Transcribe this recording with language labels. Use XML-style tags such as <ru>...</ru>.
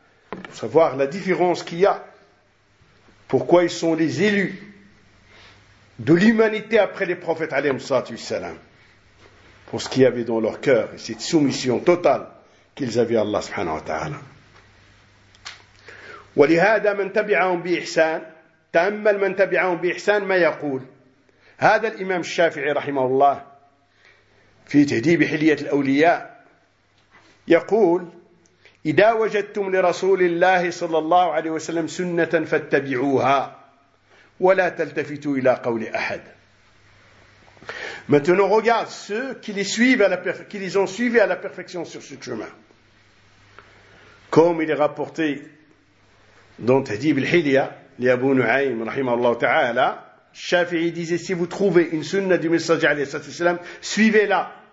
<fr>Pour savoir la différence qu'il y a, pourquoi ils sont les élus de l'humanité après les prophètes, alayhi sallatu wassalam. Pour ce qu'il y avait dans leur cœur et cette soumission totale qu'ils avaient à Allah subhanahu wa ta'ala.</fr> <ar>ولهذا من تبعهم بإحسان تأمل من تبعهم بإحسان ما يقول هذا الإمام الشافعي رحمه الله في تهذيب حلية الأولياء يقول إذا وجدتم لرسول الله صلى الله عليه وسلم سنة فاتبعوها ولا تلتفتوا إلى قول أحد.</ar> <fr>Maintenant, regarde ceux qui les suivent à la qui les ont suivis à la perfection sur ce chemin. Comme il est rapporté dans Tahdhib al-Hilya, l'Abu Nu'aym, rahimahullah ta'ala, Shafi'i disait, si vous trouvez une sunna du messager, alayhi sallallahu alayhi sallam, suivez-la.</fr>